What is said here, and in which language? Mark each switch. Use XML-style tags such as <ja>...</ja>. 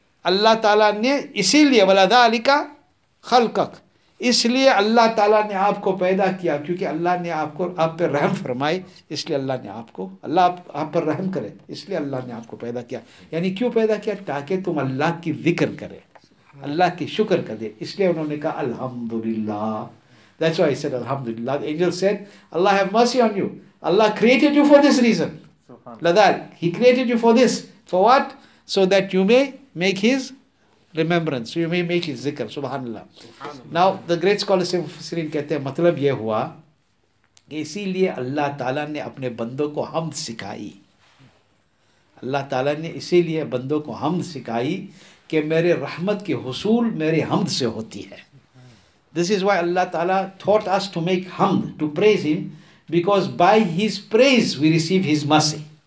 <ur>اللہ تعالیٰ نے اسی لیے, ولا ذالک خلقک, اس لیے اللہ تعالیٰ نے آپ کو پیدا کیا, کیونکہ اللہ نے آپ کو, آپ پر رحم فرمائے, اس لیے اللہ نے آپ کو, اللہ آپ پر رحم کرے اس لیے اللہ نے آپ کو پیدا کیا. یعنی کیوں پیدا کیا؟ تاکہ تم اللہ کی ذکر کرے, اللہ کی شکر کرے. اس لیے انہوں نے کہا الحمدللہ.</ur> <en>That's why I said الحمدللہ. The angel said Allah have mercy on you, Allah created you for this reason, he created you for this, for what? So that you may make his remembrance, you may make his zikr. Subhanallah. Now the great scholar Sri Mufassirin</en> <ur>kehte hain matlab ye hua اسی لیے اللہ تعالیٰ نے اپنے بندوں کو حمد سکھائی, اللہ تعالیٰ نے اسی لیے بندوں کو حمد سکھائی کہ میرے رحمت کی حصول میرے حمد سے ہوتی ہے.</ur> <en>This is why Allah تعالیٰ thought us to make حمد to praise him, because by his praise we receive his mercy.</en>